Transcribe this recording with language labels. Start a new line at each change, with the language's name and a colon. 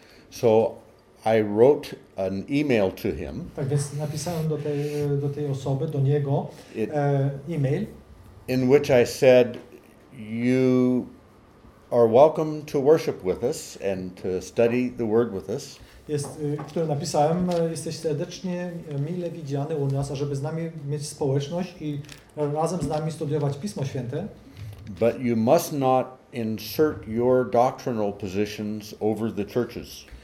English: So I wrote an email to him.
Polish: Tak więc napisałem do tej osoby, do niego e-mail.
English: In which I said, you are welcome to worship with us and to study the word with us.
Polish: Który napisałem, jesteś serdecznie mile widziany u nas, ażeby z nami mieć społeczność i razem z nami studiować Pismo Święte.
English: But you must not insert your doctrinal positions over the churches.